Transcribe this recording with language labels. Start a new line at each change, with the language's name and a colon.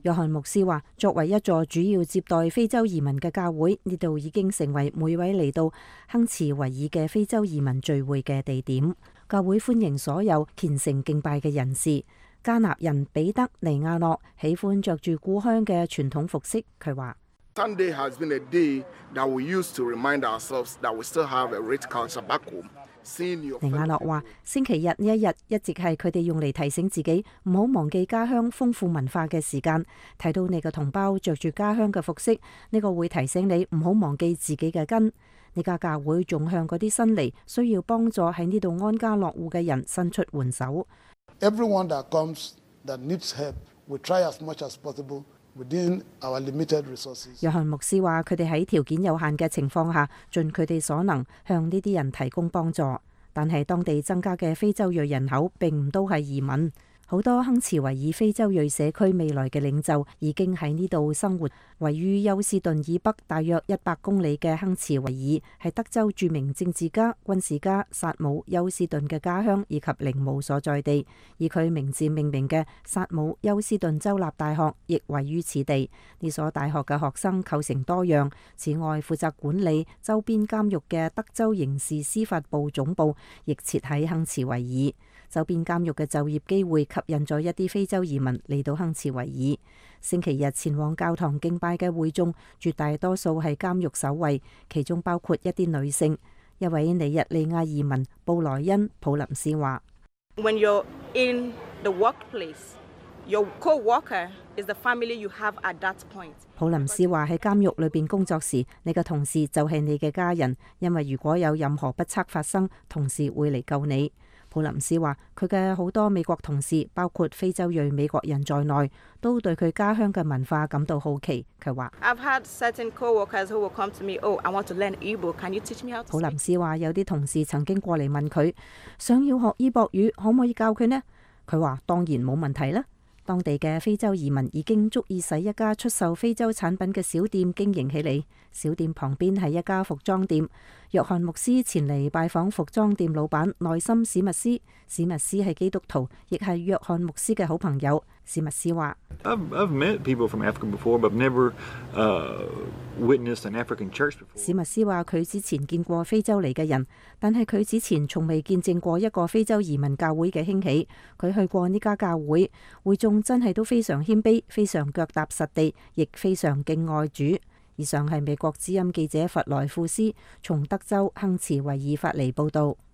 Chinese: 约翰牧师说，作为一座主要接待非洲移民的教会，这里已经成为每位来到亨茨维尔的非洲移民聚会的地点。教会欢迎所有虔诚敬拜的人士。加纳人彼得尼亚诺喜欢着住故乡的传统服饰。他说，
English: Sunday has been a day that we used to remind ourselves that we still have a rich culture back home.
Chinese: 尼亚诺说，星期日这一天一直是他们用来提醒自己不要忘记家乡丰富文化的时间。提到你的同胞穿着家乡的服饰，这个会提醒你不要忘记自己的根。你的教会还向那些新来需要帮助在这里安家落户的人伸出援手。
English: Everyone that comes that needs help, we try as much as possible. Within our limited resources.
Chinese: 约翰牧师说，他们在条件有限的情况下尽他们所能向这些人提供帮助，但是当地增加的非洲裔人口并不都是移民。很多亨茨维尔非洲裔社区未来的领袖已经在这里生活。位于休斯顿以北大约100公里的亨茨维尔是德州著名政治家、军事家萨姆·休斯顿的家乡以及陵墓所在地，以他名字命名的萨姆·休斯顿州立大学亦位于此地。这所大学的学生构成多样，此外负责管理周边监狱的德州刑事司法部总部亦设在亨茨维尔。周边监狱的就业机会吸引了一些非洲移民来到亨茨维尔。星期日前往教堂敬拜的会众绝大多数是监狱守卫，其中包括一些女性。一位尼日利亚移民布莱恩·普林斯说，
English: When you're in the workplace, your co-worker is the family you have at that point.
Chinese: 普林斯说，在监狱里面工作时，你的同事就是你的家人，因为如果有任何不测发生，同事会来救你。普林斯说，他的很多美国同事包括非洲裔美国人在内都对他家乡的文化感到好奇。他说，
English: I've had certain co-workers who will come to me, oh, I want to learn Igbo, can you teach me how to speak?
Chinese: 普林斯说，有些同事曾经过来问他，想要学伊博语，可不可以教他呢？他说，当然没问题了。当地的非洲移民已经足以使一家出售非洲产品的小店经营起来。小店旁边是一家服装店。约翰牧师前来拜访服装店老板内森史密斯。史密斯是基督徒，亦是约翰牧师的好朋友。史密斯说， I've met people from Africa before, but never witnessed an African church before. 史密斯说他之前见过非洲来的人，但是他之前从未见证过一个非洲移民教会的兴起。他去过这家教会，会众真的都非常谦卑，非常脚踏实地，亦非常敬爱主。以上是美国之音记者弗莱库斯从德州亨茨维尔法尼报道。